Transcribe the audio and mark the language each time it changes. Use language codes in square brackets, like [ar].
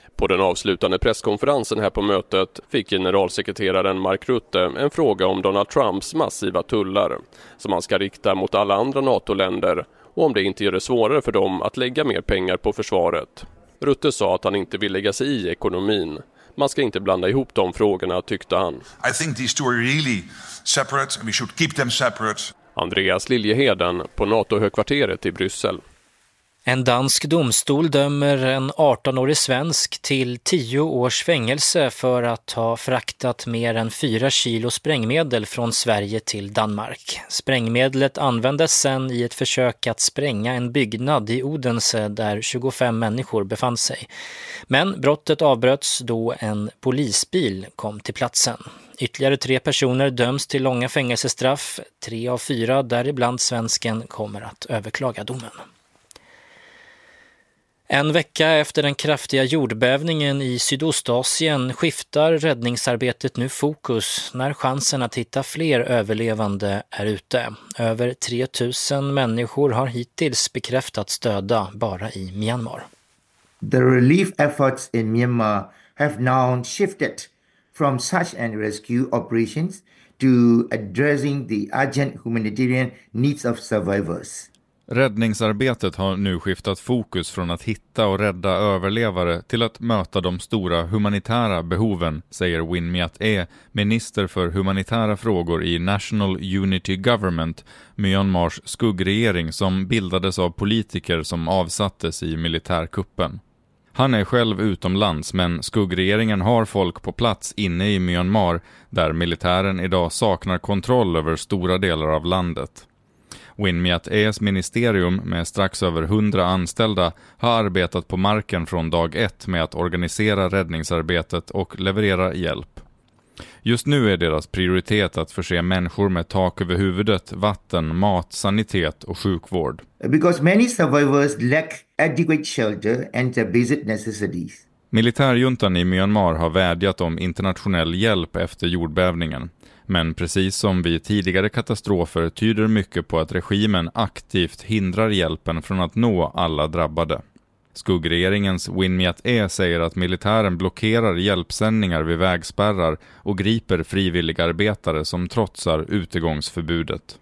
[sv] På den avslutande presskonferensen här på mötet fick generalsekreteraren Mark Rutte en fråga om Donald Trumps massiva tullar som han ska rikta mot alla andra NATO-länder och om det inte gör det svårare för dem att lägga mer pengar på försvaret. Rutte sa att han inte vill lägga sig i ekonomin. Man ska inte blanda ihop de frågorna, tyckte han. [en] I think these two are really separate and we should keep them separate. [sv] Andreas Liljeheden på NATO-högkvarteret i Bryssel. En dansk domstol dömer en 18-årig svensk till 10 års fängelse för att ha fraktat mer än 4 kilo sprängmedel från Sverige till Danmark. Sprängmedlet användes sedan i ett försök att spränga en byggnad i Odense där 25 människor befann sig. Men brottet avbröts då en polisbil kom till platsen. Ytterligare 3 personer döms till långa fängelsestraff. 3 av 4, däribland svensken, kommer att överklaga domen. En vecka efter den kraftiga jordbävningen i Sydostasien skiftar räddningsarbetet nu fokus när chansen att hitta fler överlevande är ute. Över 3000 människor har hittills bekräftats döda bara i Myanmar. [en] The relief efforts in Myanmar have now shifted from search and rescue operations to addressing the urgent humanitarian needs of survivors. [sv] Räddningsarbetet har nu skiftat fokus från att hitta och rädda överlevare till att möta de stora humanitära behoven, säger Win Myat E, minister för humanitära frågor i National Unity Government, Myanmars skuggregering som bildades av politiker som avsattes i militärkuppen. Han är själv utomlands, men skuggregeringen har folk på plats inne i Myanmar, där militären idag saknar kontroll över stora delar av landet. Win Myat E's ministerium med strax över 100 anställda har arbetat på marken från dag 1 med att organisera räddningsarbetet och leverera hjälp. Just nu är deras prioritet att förse människor med tak över huvudet, vatten, mat, sanitet och sjukvård. [en] Because many survivors lack adequate shelter and the basic necessities. [sv] Militärjuntan i Myanmar har vädjat om internationell hjälp efter jordbävningen. Men precis som vid tidigare katastrofer tyder mycket på att regimen aktivt hindrar hjälpen från att nå alla drabbade. Skuggregeringens Win Myat E säger att militären blockerar hjälpsändningar vid vägspärrar och griper frivilliga arbetare som trotsar utegångsförbudet.